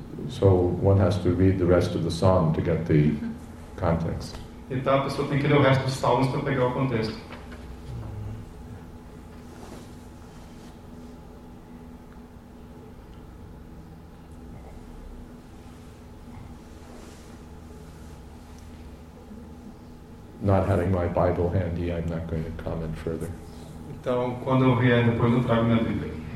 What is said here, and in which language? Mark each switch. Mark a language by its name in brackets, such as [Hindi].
[English] So one has to read the rest of the psalm to get the context. [Portuguese] Então a pessoa tem que ler o resto dos salmos para pegar o contexto. [English] Not having my Bible handy, I'm not going to comment further. [Portuguese] Então, quando eu vier, depois eu trago minha Bíblia.